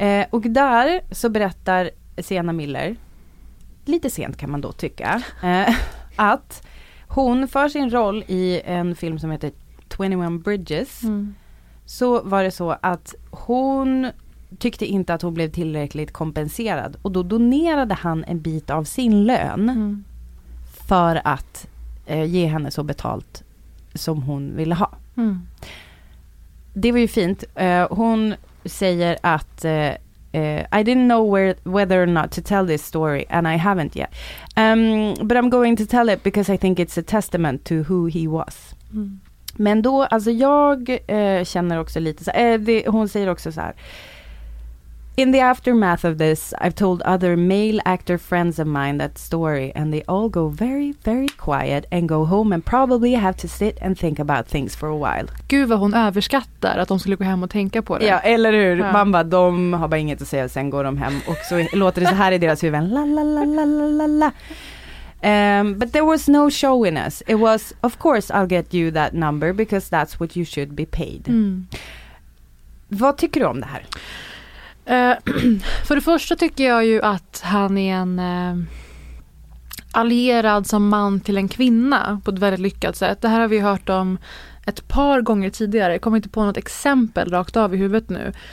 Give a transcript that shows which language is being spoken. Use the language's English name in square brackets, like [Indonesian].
[Swedish] Och där så berättar Sienna Miller, lite sent kan man då tycka, att hon för sin roll i en film som heter 21 Bridges, så var det så att hon tyckte inte att hon blev tillräckligt kompenserad. Och då donerade han en bit av sin lön för att ge henne så betalt som hon ville ha. Mm. Det var ju fint. Hon säger att [English] I didn't know whether or not to tell this story and I haven't yet. But I'm going to tell it because I think it's a testament to who he was. [Swedish] Mm. Men då, alltså jag känner också lite så, hon säger också så här: [English] in the aftermath of this, I've told other male actor friends of mine that story and they all go very, very quiet and go home and probably have to sit and think about things for a while. [Swedish] Gud vad hon överskattar att de skulle gå hem och tänka på det. Ja, eller hur? Ja. Man bara, de har bara inget att säga, sen går de hem och så låter det så här i deras huvud. La la la la la la la. [English] But there was no showiness. It was, of course, I'll get you that number because that's what you should be paid. [Swedish] Mm. Vad tycker du om det här? För det första tycker jag ju att han är en allierad som man till en kvinna på ett väldigt lyckat sätt. Det här har vi hört om ett par gånger tidigare. Jag kommer inte på något exempel rakt av i huvudet nu.